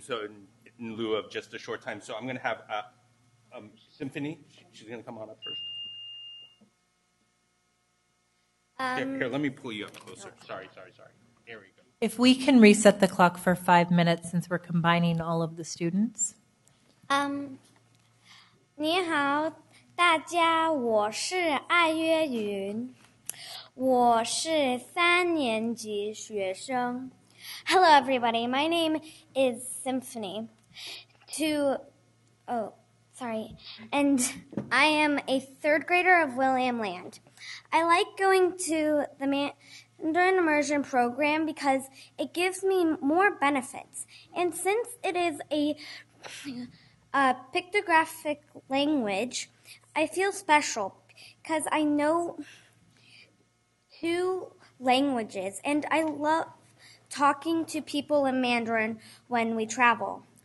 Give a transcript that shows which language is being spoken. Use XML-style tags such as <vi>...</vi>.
<en>So in lieu of just a short time. So I'm going to have Symphony. She's going to come on up first. Here, let me pull you up closer. Sorry. There we go. If we can reset the clock for 5 minutes since we're combining all of the students.</en> <zh>你好,大家,我是爱月云。我是三年级学生。</zh> <en>Hello, everybody. My name is Symphony. And I am a third grader of William Land. I like going to the under an immersion program because it gives me more benefits. And since it is a pictographic language, I feel special because I know two languages, and I love talking to people in Mandarin when we travel.</en>